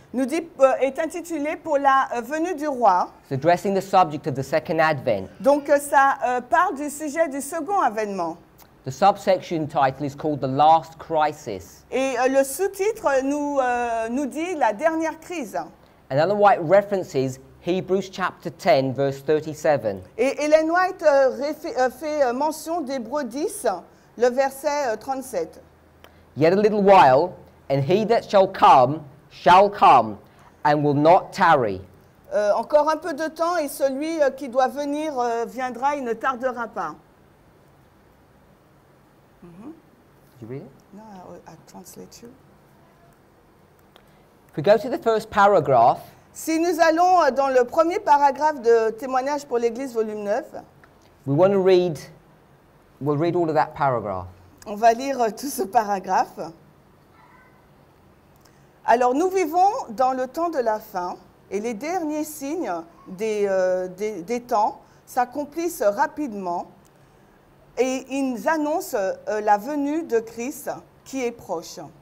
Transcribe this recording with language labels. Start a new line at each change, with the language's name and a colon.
French: Nous dit est intitulé pour la venue du roi.
English: It's addressing the subject of the second advent.
French: Donc ça parle du sujet du second avènement.
English: The subsection title is called The Last Crisis.
French: Et le sous-titre nous dit la dernière crise.
English: And Ellen White references Hebrews chapter 10, verse 37.
French: Et Ellen White fait mention d'Hébreux 10, le verset 37.
English: Yet a little while, and he that shall come, and will not tarry.
French: Encore un peu de temps, et celui qui doit venir viendra, il ne tardera pas. Mm-hmm.
English: Did you read it? No, I translate you. If we go to the first paragraph,
French: si nous allons dans le premier paragraphe de Témoignages pour l'Église, volume 9,
English: we want to read, we'll read all of that paragraph.
French: On va lire tout ce paragraphe. Alors, nous vivons dans le temps de la fin et les derniers signes des temps s'accomplissent rapidement. Et il nous annonce la venue de Christ qui est proche.